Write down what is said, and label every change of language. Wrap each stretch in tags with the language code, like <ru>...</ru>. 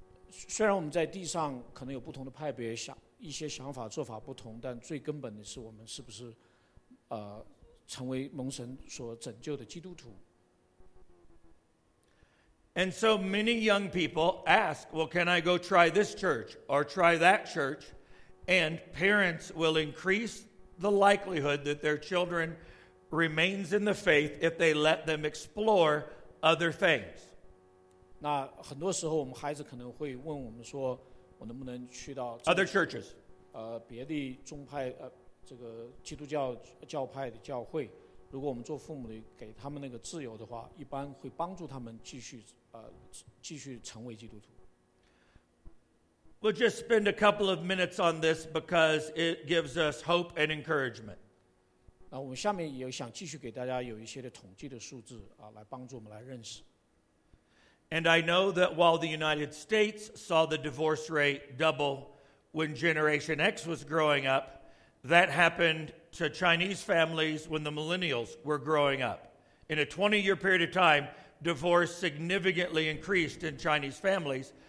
<zh>虽然我们在地上可能有不同的派别，一些想法做法不同，但最根本的是我们是不是成为蒙神所拯救的基督徒。</zh> <en>And so many young people ask, well, can I go try this church or try that church? And parents will increase the likelihood that their children remains in the faith if they let them explore other things.</en> <zh>那很多时候我们孩子可能会问我们说，我能不能去到</zh> <en>other churches?</en> <zh>别的宗派这个基督教教派的教会，如果我们做父母的给他们那个自由的话，一般会帮助他们继续成为基督徒。</zh> <en>We'll just spend a couple of minutes on this because it gives us hope and encouragement.</en> <zh>那我们下面也想继续给大家有一些的统计的数字来帮助我们来认识。</zh> <en>And I know that while the United States saw the divorce rate double when Generation X was growing up, that happened to Chinese families when the millennials were growing up. In a 20-year period of time, divorce significantly increased in Chinese families.</en>